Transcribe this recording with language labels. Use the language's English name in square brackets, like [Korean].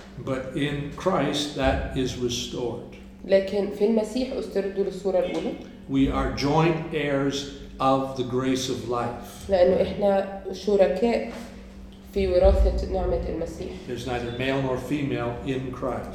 [English] But in Christ, that is restored. [Arabic] لكن في المسيح استردوا للصورة الأولى. [English] We are joint heirs of the grace of life. [Arabic] لأنه إحنا شركاء في وراثة نعمة المسيح. [English] There's neither male nor female in Christ.